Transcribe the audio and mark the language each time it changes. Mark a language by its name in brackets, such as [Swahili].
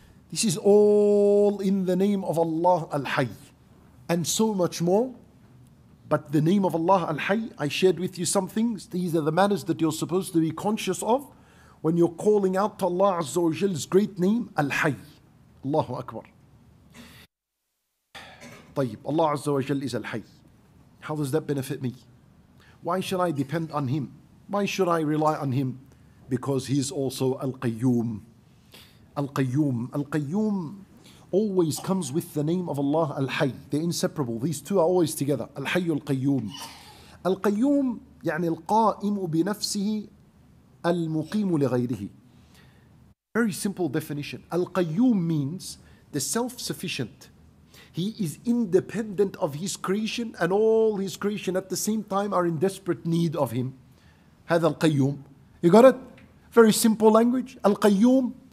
[English] This is all in the name of Allah Al-Hayy and so much more. But the name of Allah Al-Hayy, I shared with you some things. These are the manners that you're supposed to be conscious of when you're calling out to Allah Azza wa Jal's great name, Al-Hayy. Allahu Akbar. [Arabic] طيب الله عز وجل [English] is al-hayy. How does that benefit me? Why should I depend on him? Why should I rely on him? Because he is also al-qayyum. Al-qayyum. Al-qayyum always comes with the name of Allah al-hayy. They're inseparable. These two are always together. Al-hayy al-qayyum. [Arabic] Al-qayyum, يعني القائم بنفسه المقيم لغيره. [English] Very simple definition. Al-qayyum means the self-sufficient. He is independent of his creation, and all his creation at the same time are in desperate need of him. [Arabic] هذا القيوم. [English] You got it? Very simple language. القيوم.